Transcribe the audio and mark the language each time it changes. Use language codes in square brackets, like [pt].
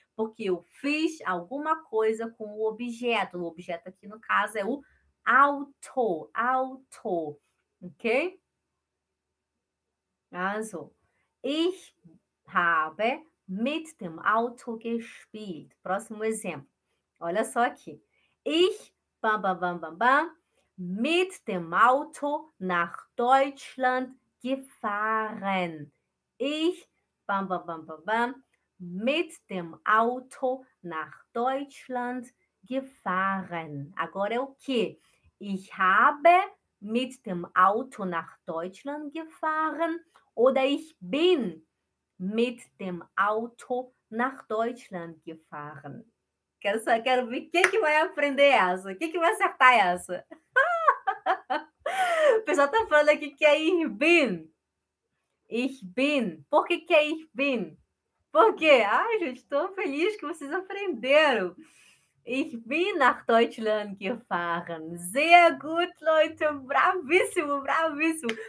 [pt] Porque eu fiz alguma coisa com o objeto. O objeto aqui no caso é o auto, auto, ok? [de] Also, ich habe mit dem Auto gespielt. [pt] Próximo exemplo. Olha só aqui. [de] Ich bam, bam, bam, bam, bam, mit dem Auto nach Deutschland gefahren. Ich bam, bam, bam, bam, bam, mit dem Auto nach Deutschland gefahren. [pt] Agora é o quê? [de] Ich habe mit dem Auto nach Deutschland gefahren. Oder ich bin mit dem Auto nach Deutschland gefahren. [pt] Quero só, quero ver quem que vai aprender essa. Quem que vai acertar essa? O pessoal tá falando aqui que é [de] ich bin. Ich bin. [pt] Por que que é ich bin? Por quê? Ai, gente, tô feliz que vocês aprenderam. [de] Ich bin nach Deutschland gefahren. Sehr gut, Leute. [pt] Bravíssimo, bravíssimo.